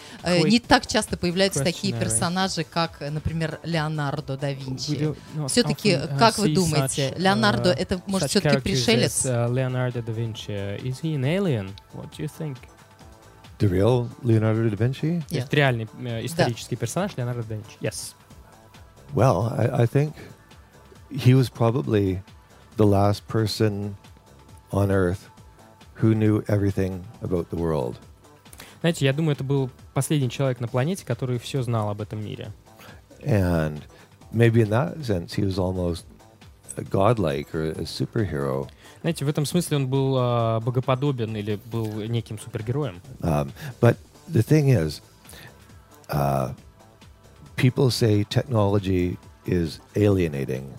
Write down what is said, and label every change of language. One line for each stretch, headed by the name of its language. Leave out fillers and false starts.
Russian: Не так часто появляются такие персонажи, как, например, Леонардо да Винчи. Все-таки, как вы думаете, Леонардо — это, может, все-таки пришелец?
English: Леонардо да Винчи, is he an alien? What do you think? The real Leonardo da Vinci? Yeah.
Russian: Реальный исторический персонаж Леонардо да Винчи,
English: yes. Well, I think he was probably the last person on Earth who knew everything about the world.
Russian: Знаете, я думаю, это был последний человек на планете, который все знал об этом мире.
English: And maybe in that sense he was almost a godlike or a superhero.
Russian: Знаете, в этом смысле он был богоподобен или был неким супергероем.
English: But the thing is, people say technology is alienating.